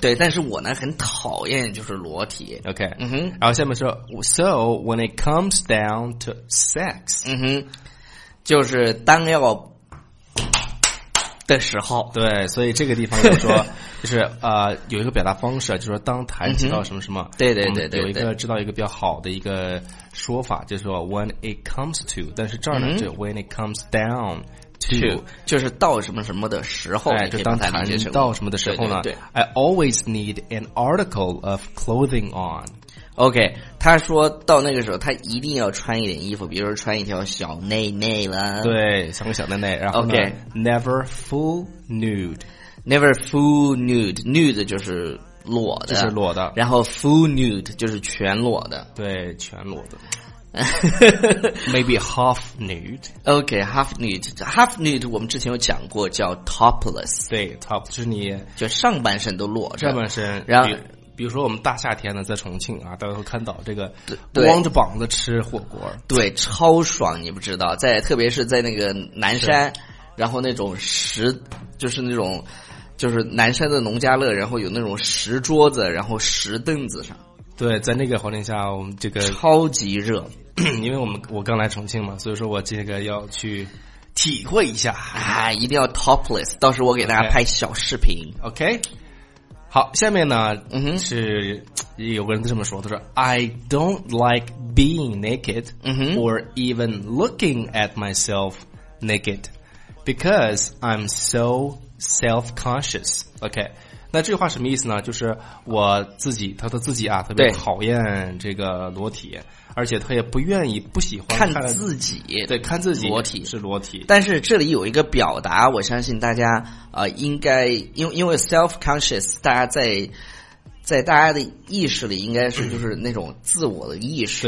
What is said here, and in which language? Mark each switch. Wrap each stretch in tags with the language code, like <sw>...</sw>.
<zh>对，但是我呢很讨厌就是裸体。 OK，嗯哼。然后下面说 ，</zh> <en>So when it comes down to sex，</en> <zh>嗯哼，就是当要的时候。对，所以这个地方就说，就是有一个表达方式，就是说当谈及到什么什么，对对对对，有一个知道一个比较好的一个。说法就是说</zh> <en>when it comes to，</en> <zh>但是这儿呢、就</zh> <en>when it comes down to，</en> <zh>就是到什么什么的时候，哎，就当谈到什么的时候呢，对对对，</zh> <en>I always need an article of clothing on。</en> <zh>OK， 他说到那个时候他一定要穿一点衣服，比如说穿一条小内内了，对，像个小内内，然后呢、 okay.</zh> <en>never full nude， never full nude， nude 就是裸的，</en> <zh>就是裸的，然后 full nude 就是全裸的，对，全裸的。</zh> <en>Maybe half nude. OK, half nude. Half nude</en> <zh>我们之前有讲过叫 topless. 对， topless 就是你就上半身都裸着，上半身，然后比如说我们大夏天呢在重庆啊，大家会看到这个光着膀子吃火锅，对， 对，超爽，你不知道，在特别是在那个南山，然后那种石，就是那种就是南山的农家乐，然后有那种石桌子，然后石凳子上。对，在那个环境下，我们这个超级热，因为我刚来重庆嘛，所以说我这个要去体会一下啊，一定要 topless， 到时候我给大家拍小视频。 OK，, okay? 好，下面呢、嗯、是有个人这么说，他说 ：</zh> <en>“I don't like being naked、or even looking at myself naked because I'm so。”</en> <zh>self-conscious， OK， 那这句话什么意思呢？就是我自己，他的自己啊，特别讨厌这个裸体，而且他也不愿意，不喜欢看自己，对，看自己裸体是裸体。但是这里有一个表达，我相信大家应该因为 self-conscious， 大家在大家的意识里应该是就是那种自我的意识，</zh>